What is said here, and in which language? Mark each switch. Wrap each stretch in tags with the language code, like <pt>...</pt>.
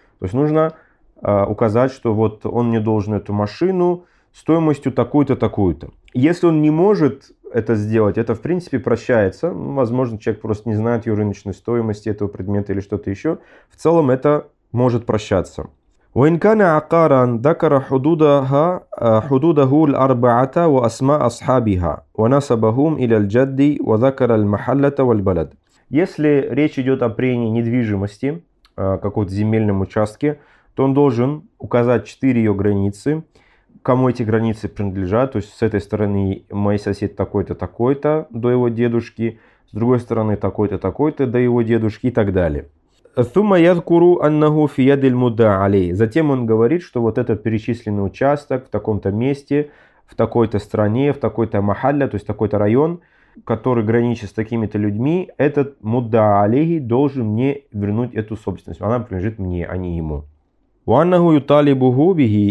<ru>То есть нужно указать, что вот он мне должен эту машину стоимостью такую-то, такую-то. Если он не может это сделать, это в принципе прощается. Возможно, человек просто не знает ее рыночной стоимости этого предмета или что-то еще. В целом это может прощаться.</ru> <ar>وإن كان عقارا ذكر حدودها حدوده الأربعة وأسماء أصحابها ونسبهم إلى الجد وذكر المحلة والبلد.</ar> <ru>Если речь идет о приении недвижимости, какого-то земельном участке, то он должен указать четыре ее границы, кому эти границы принадлежат, то есть с этой стороны мой сосед такой-то, такой-то до его дедушки, с другой стороны такой-то, такой-то до его дедушки и так далее.</ru> <ar>ثم يذكر أنه في يد المدعى عليه.</ar> <ru>Затем он говорит, что вот этот перечисленный участок в таком-то месте, в такой-то стране, в такой-то махалле, то есть такой-то район, который граничит с такими-то людьми, этот مدعى عليه должен мне вернуть эту собственность. Она принадлежит мне, а не ему.</ru> <ar>وأنه يطالبه به.</ar>